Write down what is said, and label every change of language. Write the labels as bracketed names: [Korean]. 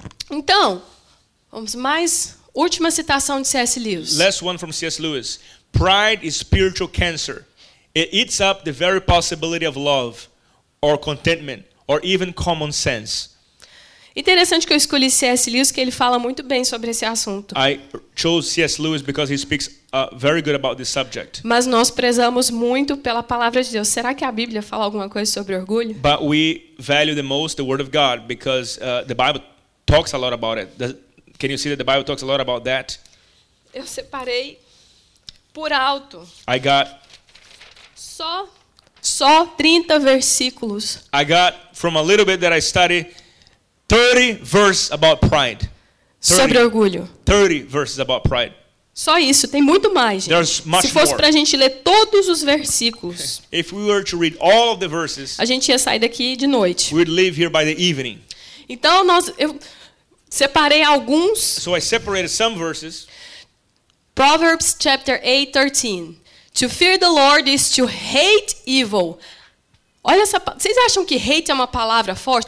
[Portuguese] Então, vamos mais última citação de C.S. Lewis. [English] Last one from C.S. Lewis. Pride is spiritual cancer. It eats up the very possibility of love, or contentment, or even common sense. [Portuguese] Interessante que eu escolhi C.S. Lewis, que ele fala muito bem sobre esse assunto. [English] I chose C.S. Lewis because he speaks very good about this subject. [Portuguese] Mas nós prezamos muito pela palavra de Deus. Será que a Bíblia fala alguma coisa sobre orgulho? [English] But we value the most the word of God because the Bible talks a lot about it. Can you see that the Bible talks a lot about that? [Portuguese] Eu separei por alto. [English] I got [Portuguese] só 30 versículos. [English] I got from a little bit that I study 30 verses about pride. [Portuguese] 30, sobre orgulho. [English] 30 verses about pride. [Portuguese] Só isso, tem muito mais, gente. [English] Much [Portuguese] se fosse [English] more. [Portuguese] Pra gente ler todos os versículos. [English] If we were to read all of the verses, [Portuguese] a gente ia sair daqui de noite. [English] We'd leave here by the evening. [Portuguese] Então eu separei alguns. [English] So I separated some verses. Proverbs chapter 8, 13. To fear the Lord is to hate evil. [Portuguese] Olha essa. Vocês acham que hate é uma palavra forte?